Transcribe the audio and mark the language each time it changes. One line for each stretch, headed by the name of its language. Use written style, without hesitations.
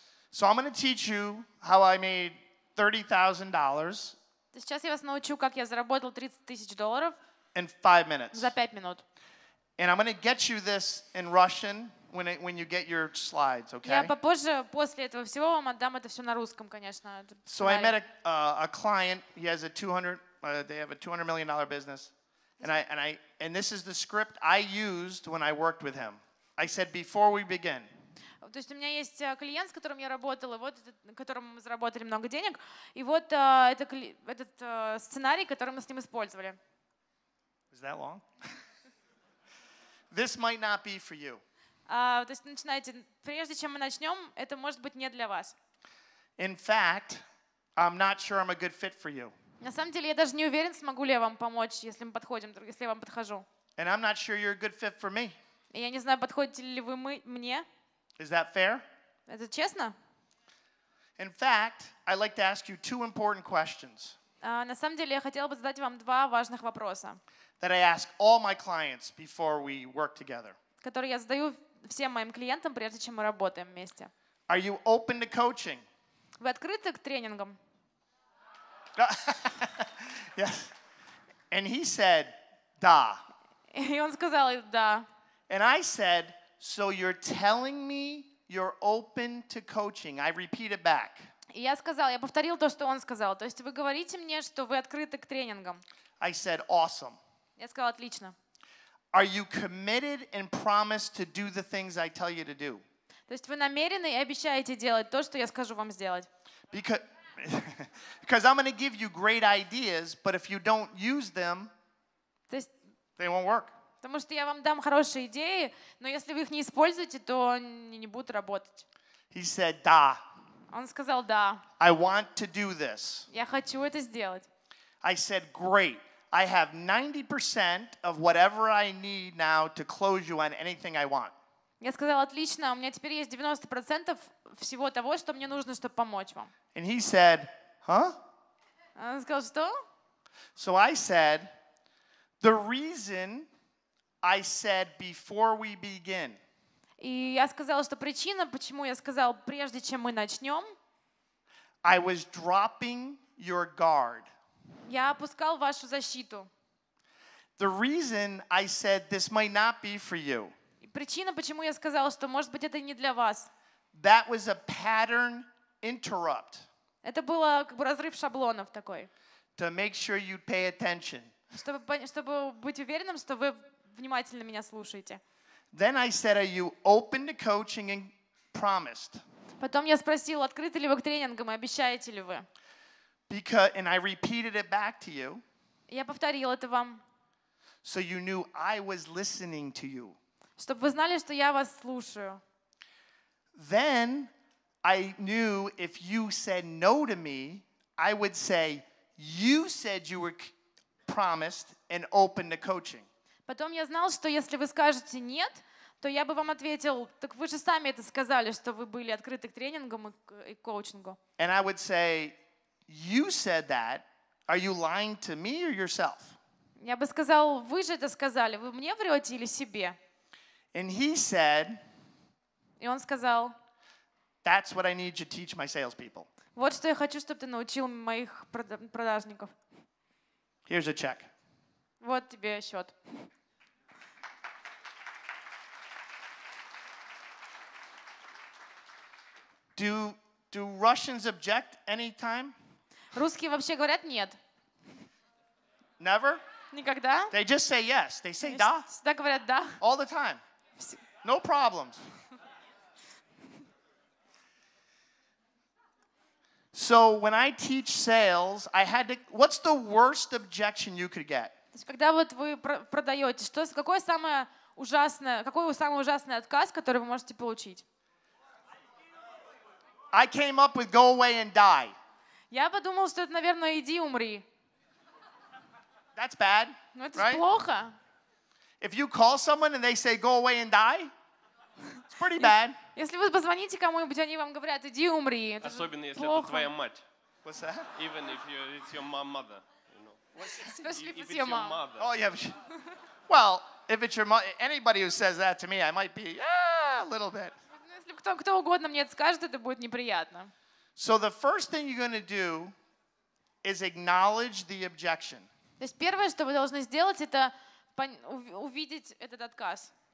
English: So I'm going to teach you how I made $30,000.
Russian: Сейчас я вас научу, как я заработал 30,000 долларов.
English: In 5 minutes.
Russian: За 5 минут.
English: And I'm going to get you this in Russian when you get your slides, okay?
Russian: Я попозже после этого всего вам отдам это все на русском, конечно.
English: So I met a client. He has a $200 million business. And this is the script I used when I worked with him. I said, before we begin.
Russian: То есть у меня есть клиент, с которым я работала, вот которым мы заработали много денег, и вот этот сценарий, который мы с ним использовали.
English: Is that long? This might not be for you.
Russian: То есть начинайте. Прежде чем мы начнем, это может быть не для вас.
English: In fact, I'm not sure I'm a good fit for you.
Russian: На самом деле, я даже не уверен, смогу ли я вам помочь, если мы подходим, если я вам подхожу.
English: And I'm not sure you're a good fit for me.
Russian: И я не знаю, подходите ли вы мне.
English: Is that fair?
Russian: Это честно?
English: In fact, I'd like to ask you two important questions.
Russian: На самом деле, я хотела бы задать вам два важных вопроса.
English: That I ask all my clients before we work together.
Russian: Которые я задаю всем моим клиентам, прежде чем мы работаем вместе.
English: Are you open to coaching?
Russian: Вы открыты к тренингам?
English: Yes. And he said,
Russian: "Да." И он сказал, да.
English: And I said, so you're telling me you're open to coaching. I repeat it back.
Russian: Я сказал, я повторил то, что он сказал. То есть вы говорите мне, что вы открыты к тренингам.
English: I said, awesome.
Russian: Я сказал, отлично.
English: Are you committed and promised to do the things I tell you to do?
Russian: То есть вы намерены и обещаете делать то, что я скажу вам сделать?
English: Because I'm going to give you great ideas, but if you don't use them, they won't work.
Russian: Потому что я вам дам хорошие идеи, но если вы их не используете, то они не будут работать.
English: He said,
Russian: "Да." Он сказал да.
English: I want to do this.
Russian: Я хочу это сделать.
English: I said, "Great. I have 90% of whatever I need now to close you on anything I want."
Russian: Я сказал, отлично, у меня теперь есть 90% всего того, что мне нужно, чтобы помочь вам.
English: And he said, huh?
Russian: Он сказал, что?
English: So I said, the reason I said before we begin.
Russian: И я сказал, что причина, почему я сказал, прежде чем мы начнем.
English: I was dropping your guard.
Russian: Я опускал вашу защиту.
English: The reason I said this might not be for you.
Russian: Причина, почему я сказала, что, может быть, это не для вас.
English: That was a pattern interrupt.
Russian: Это было как бы разрыв шаблонов такой.
English: To make sure you'd pay attention.
Russian: Чтобы быть уверенным, что вы внимательно меня слушаете.
English: Then I said, are you open to coaching and promised?
Russian: Потом я спросила, открыты ли вы к тренингам и обещаете ли вы?
English: Because, and I repeated it back to you.
Russian: Я повторила это вам.
English: So you knew I was listening to you.
Russian: Чтобы вы знали, что я вас слушаю.
English: Then I knew if you said no to me, I would say you said you were promised and open to coaching.
Russian: Потом я знал, что если вы скажете нет, то я бы вам ответил, так вы же сами это сказали, что вы были открыты к тренингам и коучингу.
English: And I would say you said that. Are you lying to me or yourself?
Russian: Я бы сказал, вы же это сказали, вы мне врете или себе?
English: And he said,
Russian: и он сказал,
English: that's what I need you to teach my salespeople.
Russian: Вот что я хочу, чтобы ты научил моих продажников.
English: Here's a check.
Russian: Вот тебе счет.
English: Do Russians object anytime?
Russian: Русские вообще говорят нет.
English: Never?
Russian: Никогда?
English: They just say yes. They say
Russian: да. Всегда говорят да.
English: All the time. No problems. So when I teach sales, I had to. What's the worst objection you could get?
Russian: Когда вот вы продаете, что какое самое ужасное, какой самый ужасный отказ, который вы можете получить?
English: I came up with go away and die.
Russian: Я подумал, что это, наверное, иди умри.
English: That's bad.
Russian: Но это плохо.
English: If you call someone and they say go away and die, it's pretty bad.
Russian: Если вы позвоните кому-нибудь, они вам говорят: "Иди умри". Особенно если это твоя мать.
English: What's that? Even if it's your mother, Especially if it's your mom. Oh yeah. Well, if it's your mother, anybody who says that to me, I might be a little bit.
Russian: Если кто угодно мне это скажет, это будет неприятно.
English: So the first thing you're going to do is acknowledge the objection.
Russian: То есть первое, что вы должны сделать, это увидеть этот отказ.